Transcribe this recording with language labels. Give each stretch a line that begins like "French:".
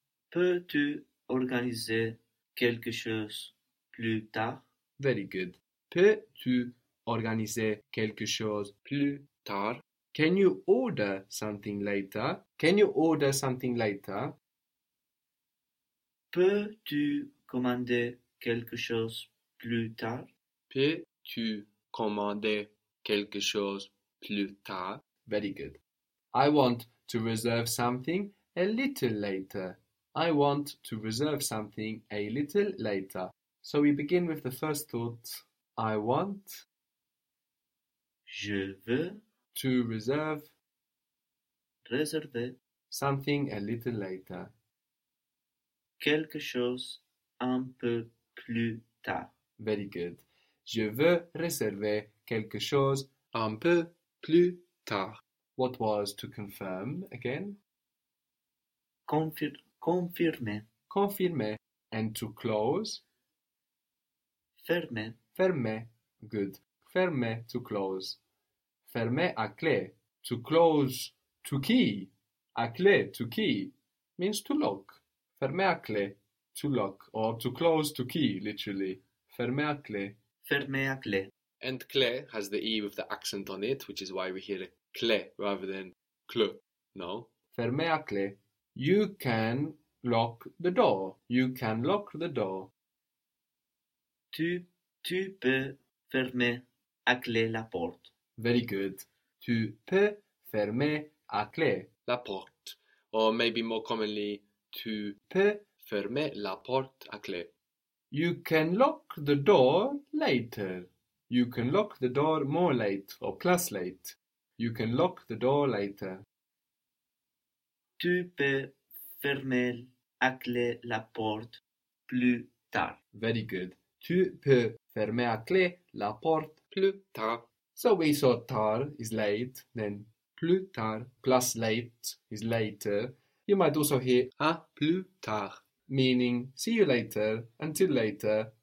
French: Peux-tu organiser quelque chose plus tard?
English: Very good.
French: Peux-tu organiser quelque chose plus tard?
English: Can you order something later? Can you order something later?
French: Peux-tu commander quelque chose plus tard? Peux-tu commander quelque chose plus tard?
English: Very good. I want to reserve something a little later. I want to reserve something a little later. So we begin with the first thought. I want
French: Je veux
English: to reserve
French: réserver
English: something a little later.
French: quelque chose un peu plus tard.
English: Very good.
French: Je veux réserver quelque chose un peu plus tard.
English: What was to confirm again?
French: Confirmer.
English: Confirmer. And to close?
French: Fermer. Fermer.
English: Good.
French: Fermer
English: to close.
French: Fermer à clé.
English: To close to key. À clé to key means to lock.
French: Fermer à clé
English: to lock or to close to key, literally.
French: Fermer à clé. Fermer clé.
English: And clé has the E with the accent on it, which is why we hear a clé rather than cle. No?
French: Fermer à clé.
English: You can lock the door. You can lock the door.
French: Tu peux fermer à clé la porte.
English: Very good.
French: Tu peux fermer à clé. La porte.
English: Or maybe more commonly,
French: tu Peux. fermer la porte à clé.
English: You can lock the door later. You can lock the door more late or plus late. You can lock the door later.
French: Tu peux fermer à clé la porte plus tard.
English: Very good.
French: Tu peux fermer à clé la porte Plus tard.
English: so we saw tard is late, then
French: plus tard
English: plus late is later. You might also hear
French: À plus tard.
English: meaning see you later, until later.